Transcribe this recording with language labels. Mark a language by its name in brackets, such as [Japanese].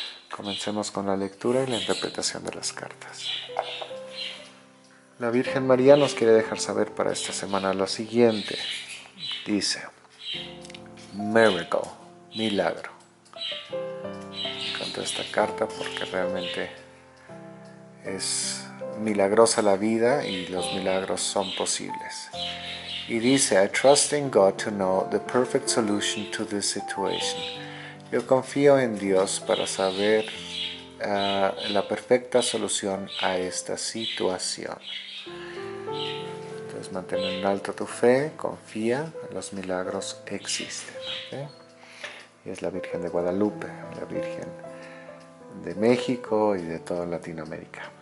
[Spanish] Comencemos con la lectura y la interpretación de las cartas. La Virgen María nos quiere dejar saber para esta semana lo siguiente. Dice: Miracle, milagro. Me encantó esta carta porque realmente es milagrosa la vida y los milagros son posibles. Y dice: [English] I trust in God to know the perfect solution to this situation. [Spanish] Yo confío en Dios para saber la perfecta solución a esta situación. Entonces mantén en alto tu fe, confía, los milagros existen. ¿Okay? Y es la Virgen de Guadalupe, la Virgen de México y de toda Latinoamérica.